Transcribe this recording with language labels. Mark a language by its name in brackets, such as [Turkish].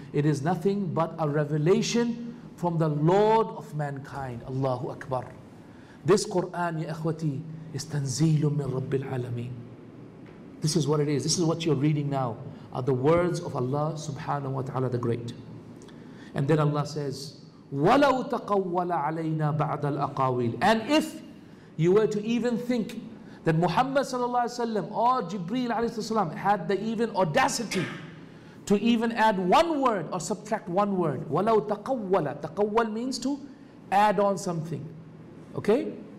[English] It is nothing but a revelation from the Lord of mankind. Allahu Akbar. This Quran, ya akhwati, is tanzeelun min rabbil alameen. This is what it is. This is what you're reading now, are the words of Allah subhanahu wa ta'ala, the Great. And then Allah says, [Arabic] وَلَوْ تَقَوَّلَ عَلَيْنَا بَعْدَ الْأَقَاوِيلِ. [English] And if you were to even think that Muhammad sallallahu alayhi wa sallam or Jibreel alayhi wa sallam had the even audacity to even add one word or subtract one word. [Arabic] وَلَوْ تَقَوَّلَ. [English] تَقَوَّل means to add on something. Okay?